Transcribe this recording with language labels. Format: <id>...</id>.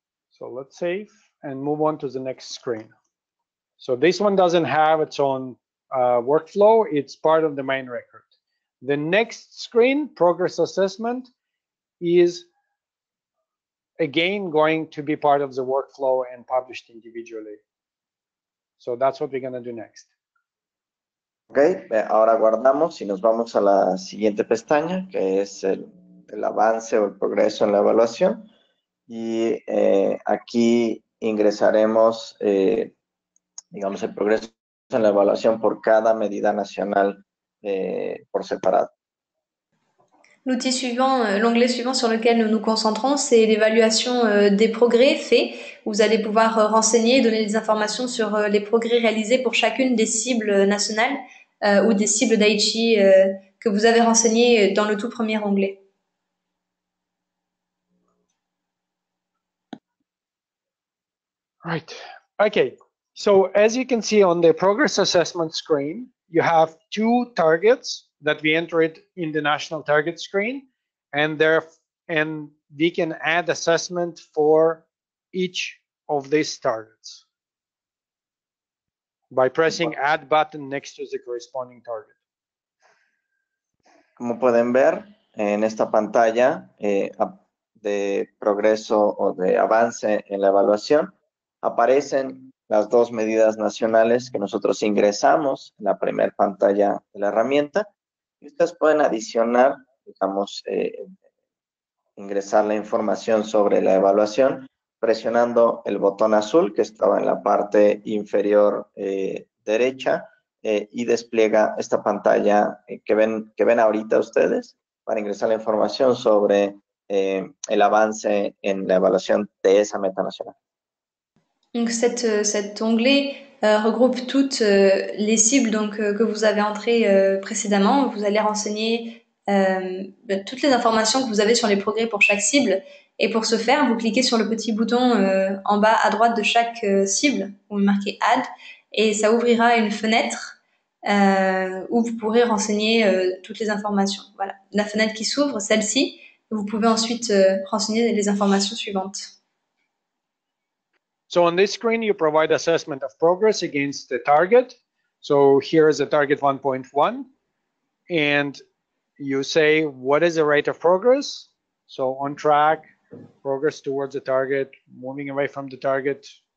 <en>So let's save and move on to the next screen. So this one doesn't have its own workflow, it's part of the main record. The next screen, progress assessment, is again going to be part of the workflow and published individually. So that's what we're going to do next.</en> <es>Okay, ahora guardamos y nos vamos a la siguiente pestaña, que es el avance o el progreso en la evaluación. Y aquí ingresaremos, digamos, el progreso en la evaluación por cada medida nacional por separado.</es> <fr>L'outil suivant, l'onglet suivant sur lequel nous nous concentrons, c'est l'évaluation des progrès faits. Vous allez pouvoir renseigner et donner des informations sur les progrès réalisés pour chacune des cibles nationales ou des cibles d'Haïti que vous avez renseignées dans le tout premier onglet.</fr> <en>Right. Okay. So as you can see on the progress assessment screen, you have two targets that we entered in the national target screen, and we can add assessment for each of these targets by pressing add button next to the corresponding target.</en> <es>Como pueden ver en esta pantalla de progreso o de avance en la evaluación, aparecen las dos medidas nacionales que nosotros ingresamos en la primera pantalla de la herramienta. Y ustedes pueden adicionar, digamos, ingresar la información sobre la evaluación presionando el botón azul que estaba en la parte inferior derecha y despliega esta pantalla que ven ahorita ustedes para ingresar la información sobre el avance en la evaluación de esa meta nacional.</es> <fr>Donc cet onglet regroupe toutes les cibles donc que vous avez entrées précédemment. Vous allez renseigner toutes les informations que vous avez sur les progrès pour chaque cible Et pour ce faire, vous cliquez sur le petit bouton en bas à droite de chaque cible où vous marquez Add et ça ouvrira une fenêtre où vous pourrez renseigner toutes les informations. Voilà, la fenêtre qui s'ouvre, celle-ci, vous pouvez ensuite renseigner les informations suivantes.</fr> <en>So on this screen, you provide assessment of progress against the target. So here is the target 1.1. And you say, what is the rate of progress? So on track, progress towards the target, moving away from the target.</en>